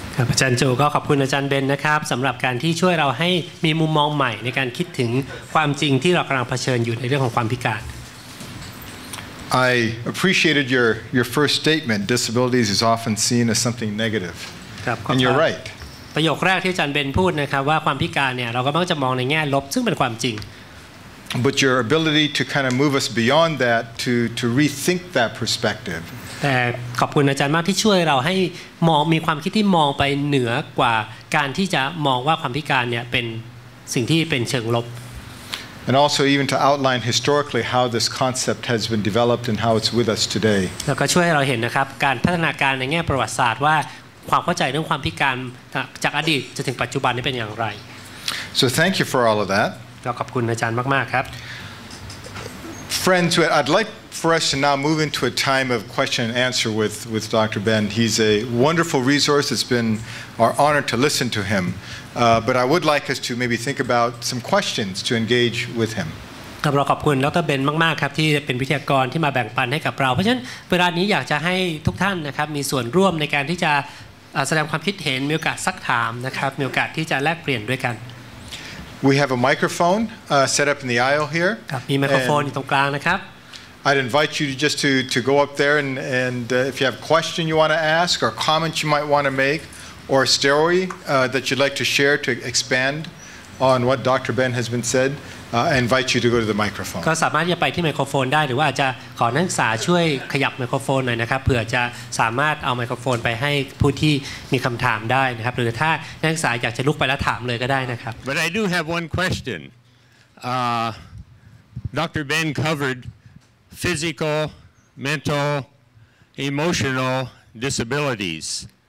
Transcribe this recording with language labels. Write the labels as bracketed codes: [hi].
[th] อาจารย์โจก็ขอบคุณอาจารย์เบนนะครับสำหรับการที่ช่วยเราให้มีมุมมองใหม่ในการคิดถึงความจริงที่เรากำลังเผชิญอยู่ในเรื่องของความพิการ [en] I appreciated your first statement. Disabilities is often seen as something negative. And you're right. [th] ประโยคแรกที่อาจารย์เบนพูดนะครับว่าความพิการเนี่ยเราก็มักจะมองในแง่ลบซึ่งเป็นความจริง [en] But your ability to kind of move us beyond that to rethink that perspective. [th] แต่ขอบคุณอาจารย์มากที่ช่วยเราให้มองมีความคิดที่มองไปเหนือกว่าการที่จะมองว่าความพิการเนี่ยเป็น สิ่งที่เป็นเชิงลบ [en] And also even to outline historically how this concept has been developed and how it's with us today. [th] แล้วก็ช่วยให้เราเห็นนะครับการพัฒนาการในแง่ประวัติศาสตร์ว่าความเข้าใจเรื่องความพิการจากอดีตจนถึงปัจจุบันนี้เป็นอย่างไร [en] So thank you for all of that. [th] เราขอบคุณอาจารย์มากๆครับ [en] Friends, I'd like for us to now move into a time of question and answer with Dr. Ben. He's a wonderful resource. It's been our honor to listen to him. But I would like us to maybe think about some questions to engage with him. [th] ขอบคุณ Dr. Ben มากๆครับที่เป็นวิทยากรที่มาแบ่งปันให้กับเราเพราะฉะนั้นเวลานี้อยากจะให้ทุกท่านนะครับมีส่วนร่วมในการที่จะแสดงความคิดเห็นมีโอกาสซักถามนะครับมีโอกาสที่จะแลกเปลี่ยนด้วยกัน [en] We have a microphone set up in the aisle here. [th] มีไมโครโฟนอยู่ตรงกลางนะครับ [en] I'd invite you to just to go up there and if you have a question you want to ask or comments you might want to make or a story that you'd like to share to expand on what Dr. Ben has been said, I invite you to go to the microphone. [th] ก็สามารถจะไปที่ไมโครโฟนได้หรือว่าจะขอนักศึกษาช่วยขยับไมโครโฟนหน่อยนะครับเผื่อจะสามารถเอาไมโครโฟนไปให้ผู้ที่มีคำถามได้นะครับหรือถ้านักศึกษาอยากจะลุกไปแล้วถามเลยก็ได้นะครับ [en] But I do have one question. Dr. Ben covered. Physical, mental, emotional disabilities.